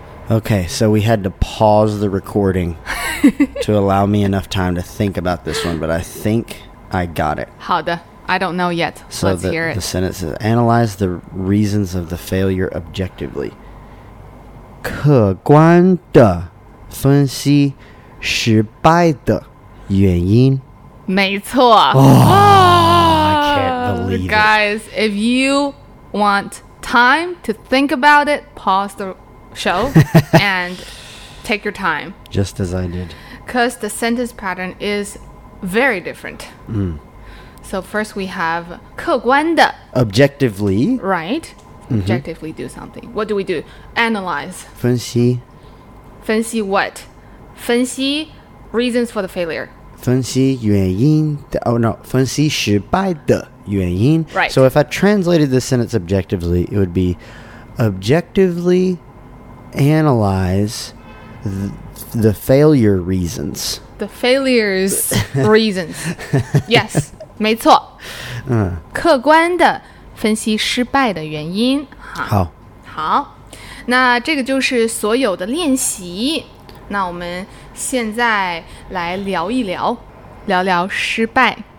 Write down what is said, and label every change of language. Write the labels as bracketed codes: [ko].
[en] Okay, so we had to pause the recording to allow me enough time to think about this one, but I think I got it. [zh] 好的。 [en] I don't know yet. So let's hear it. The sentence is, analyze the reasons of the failure objectively. [zh] 客观的分析失败的原因。没错。 [en] Oh, I can't believe it. Guys, if you want time to think about it, pause the show and take your time. Just as I did. Because the sentence pattern is very different. Mm. So first we have [zh] 客观的 [en] objectively. Right. Objectively、mm-hmm. do something. What do we do? Analyze. [zh] 分析。分析 [en] what? 分析 reasons for the failure. [zh] 分析原因的, [en] oh no, [zh] 分析失败的原因。 [en] Right. So if I translated this sentence objectively, it would be objectively analyze the failure reasons. The failure's reasons. Yes. [zh] 没错，客观的分析失败的原因。好，好，那这个就是所有的练习。那我们现在来聊一聊，聊聊失败。